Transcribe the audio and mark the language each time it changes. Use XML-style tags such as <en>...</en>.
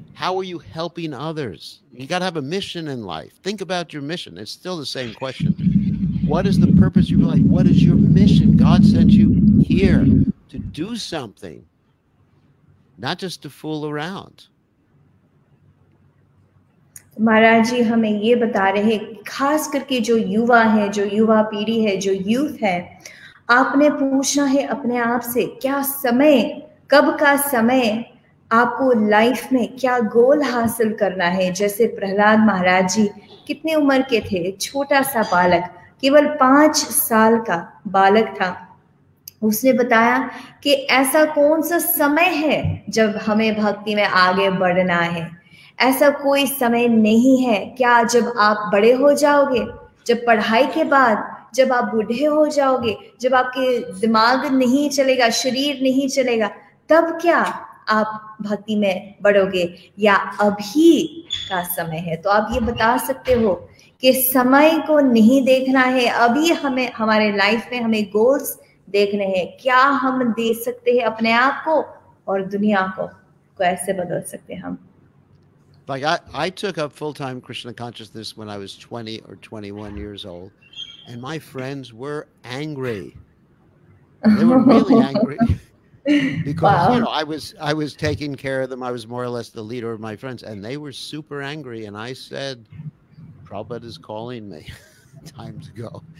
<en>How are you helping others? You got to have a mission in life. Think about your mission. It's still the same question. What is the purpose of your life? What is your mission? God sent you here to do something, not just to fool around.</en> <hi>महाराज जी हमें ये बता रहे हैं, खास करके जो युवा है, जो युवा पीढ़ी है, जो यूथ है, आपने पूछना है अपने आप से, क्या समय, कब का समय आपको लाइफ में क्या गोल हासिल करना है. जैसे प्रहलाद महाराज जी कितने उम्र के थे, छोटा सा बालक, केवल 5 साल का बालक था. उसने बताया कि ऐसा कौन सा समय है जब हमें भक्ति में आगे बढ़ना है. ऐसा कोई समय नहीं है क्या जब आप बड़े हो जाओगे, जब पढ़ाई के बाद, जब आप बूढ़े हो जाओगे, जब आपके दिमाग नहीं चलेगा, शरीर नहीं चलेगा, तब क्या आप भक्ति में बढ़ोगे, या अभी का समय है. तो आप ये बता सकते हो कि समय को नहीं देखना है, अभी हमें हमारे लाइफ में हमें गोल्स देखने हैं. क्या हम दे सकते हैं अपने आप को और दुनिया को, कैसे बदल सकते हैं हम.</hi> <en>Like I took up full-time Krishna consciousness when I was 20 or 21 years old, and my friends were angry. They were really angry because, you know, I was taking care of them. I was more or less the leader of my friends, and they were super angry. And I said, Prabhupada is calling me. Time to go.</en>